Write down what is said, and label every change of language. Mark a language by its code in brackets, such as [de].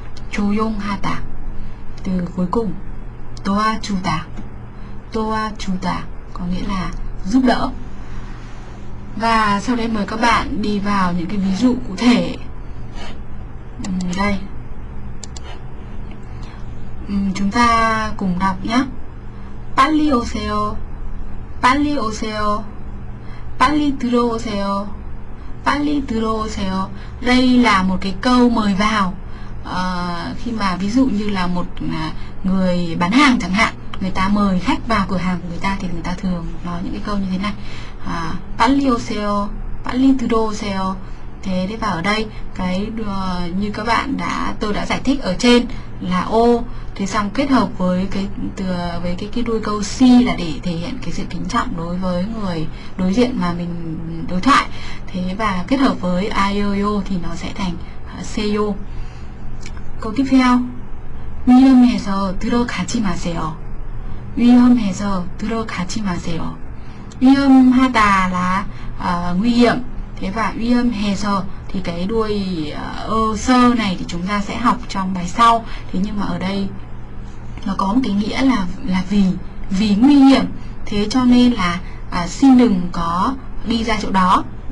[vi] Chú yong hata. Từ cuối cùng, toa chu ta. 도와주다 có nghĩa là giúp đỡ. Và sau đây mời các bạn đi vào những cái ví dụ cụ thể. Đây, chúng ta cùng đọc nhé. [ko] 빨리 오세요, 빨리 오세요, 빨리 들어오세요, 빨리 들어오세요. [vi] Đây là một cái câu mời vào. Khi mà ví dụ như là một người bán hàng chẳng hạn, người ta mời khách vào cửa hàng của người ta thì người ta thường nói những cái câu như thế này. [ko] 빨리 오세요, 빨리 들어오세요. [vi] Thế đấy, và ở đây cái như các bạn đã tôi đã giải thích ở trên là ô, thế xong kết hợp với cái từ với cái đuôi câu si là để thể hiện cái sự kính trọng đối với người đối diện mà mình đối thoại. Thế và kết hợp với ayoyo thì nó sẽ thành seyo. Câu tiếp theo. [ko] 위험해서 들어가지 마세요. 위험해서 들어가지 마세요. [vi] 위험하다 là nguy hiểm. Thế và 위험해서 thì cái đuôi ơ sơ này thì chúng ta sẽ học trong bài sau. Thế nhưng mà ở đây nó có một cái nghĩa là vì nguy hiểm. Thế cho nên là xin đừng có đi ra chỗ đó.